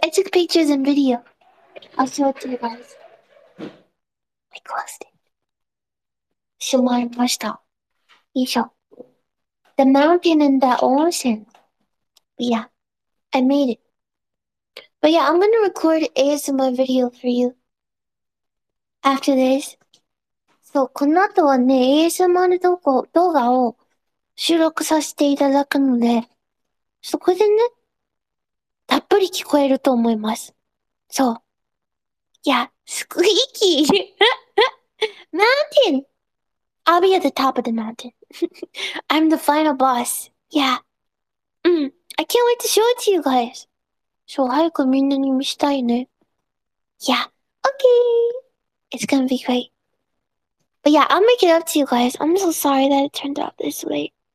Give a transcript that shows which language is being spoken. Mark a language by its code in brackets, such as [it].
[en] I took pictures and video. I'll show it to you guys. I closed it. Show my mustache. You show. The mountain and the ocean. Yeah, I made it. But yeah, I'm gonna record ASMR video for you after this. [ja] そう、この後はね、ASMR 動画を収録させていただくので、そこでね、たっぷり聞こえると思います。そう。いや、スクイーキー。マウンテン。 [en] I'll be at the top of the mountain. I'm the final boss. Yeah. I can't wait to show it to you guys. So, [ja] hayaku minna ni mishitai ne. [en] Yeah. Okay. It's gonna be great. But yeah, I'll make it up to you guys. I'm so sorry that it turned out this way.